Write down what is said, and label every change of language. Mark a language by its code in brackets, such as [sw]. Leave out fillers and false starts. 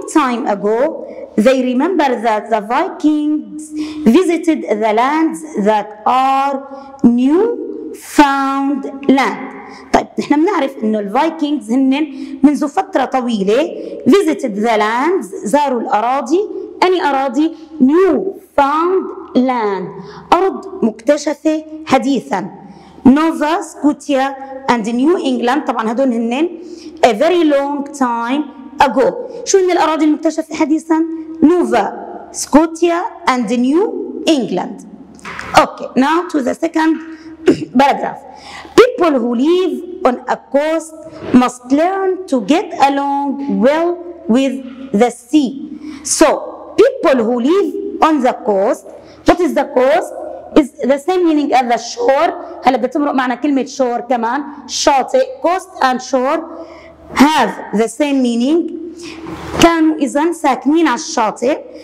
[en] Time ago, they remember that the Vikings visited the lands that are new found land. [ar] طيب نحن بنعرف انه الفايكنجز هن منذ فترة طويلة [en] visited the lands، [ar] زاروا الأراضي. أي أراضي؟ [en] new found land، [ar] أرض مكتشفة حديثا. [en] Nova Scotia and New England، [ar] طبعا هدول هن [en] a very long time ago. [ar] شو هن الأراضي المكتشفة حديثا؟ نوفا سكوتيا and New England. [en] Okay, now to the second paragraph. People who live on a coast must learn to get along well with the sea. So, people who live on the coast, what is the coast? Is the same meaning as the shore. [ar] هلا بدها تمرق معنا كلمة shore كمان. شاطئ. [en] Coast and shore have the same meaning. [ar] كانوا إذا ساكنين على الشاطئ.